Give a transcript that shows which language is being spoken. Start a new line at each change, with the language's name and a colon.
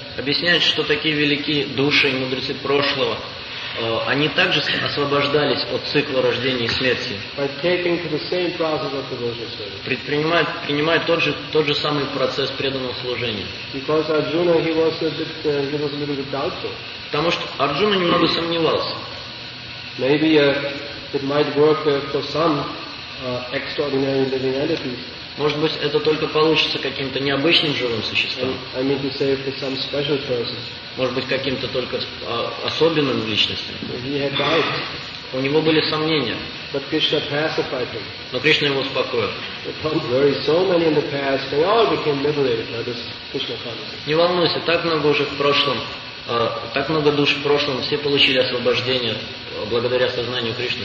Russian: Объясняет, что такие великие души и мудрецы прошлого, они также освобождались от цикла рождения и смерти.
English: By taking to the same process of devotional service.
Russian: Принимая тот же самый процесс преданного служения.
English: Because Arjuna, he was a little bit doubtful.
Russian: Потому что Арджуна немного сомневался.
English: Maybe it might work for some extraordinary living entities.
Russian: Может быть, это только получится каким-то необычным живым существом.
English: I mean to say for some special persons.
Russian: Может быть, каким-то только особенным личностям.
English: He had doubts.
Russian: У него были сомнения.
English: But Krishna pacified him.
Russian: Но Кришна его успокоил.
English: Don't worry, so many in the past, they all became liberated by this Krishna consciousness.
Russian: Не волнуйся, так много уже в прошлом, так много душ в прошлом, все получили освобождение благодаря сознанию Кришны.